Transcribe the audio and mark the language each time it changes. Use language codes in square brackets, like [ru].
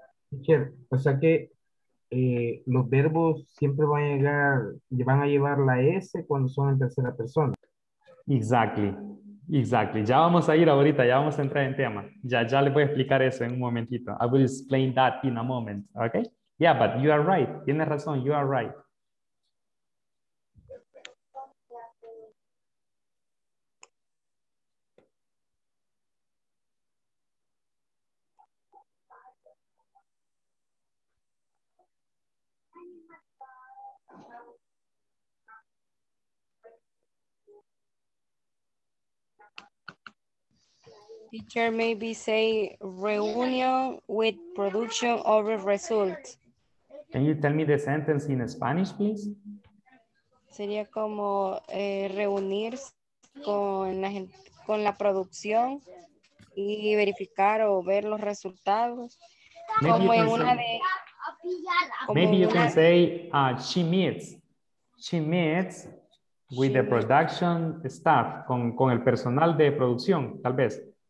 [es] Teacher, o sea que los verbos siempre van a llegar, van a llevar la S cuando son en tercera persona. [en] Exactly. Exactly. [es] Ya vamos a ir ahorita, ya vamos a entrar en tema. Ya le voy a explicar eso en un momentito. [en] I will explain that in a moment, okay? Yeah, but you are right. [es] Tienes razón, [en] you are right. Teacher, maybe say reunion with production over result. Can you tell me the sentence in Spanish, please? [es] Sería como reunirse con la producción y verificar o ver los resultados. [en] Maybe [es] como en una de [en] Maybe you can say she meets with the production staff, [es] con el personal de producción, tal vez.